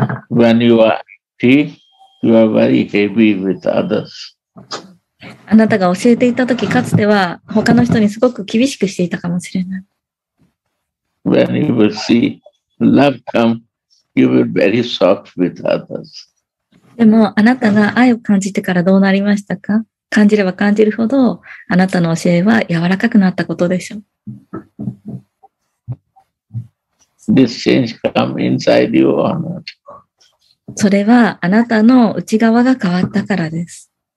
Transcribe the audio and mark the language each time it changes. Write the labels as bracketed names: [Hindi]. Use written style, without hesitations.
[English] When you are empty, you are very heavy with others. [Japanese] あなたが教えていたとき、かつては他の人にすごく厳しくしていたかもしれない。 [English] When you will see love come, you will be very soft with others. [Japanese] でも、あなたが愛を感じてからどうなりましたか？感じれば感じるほど、あなたの教えは柔らかくなったことでしょう。 [English] This change come inside you or not? [Japanese] それはあなたの内側が変わったからです。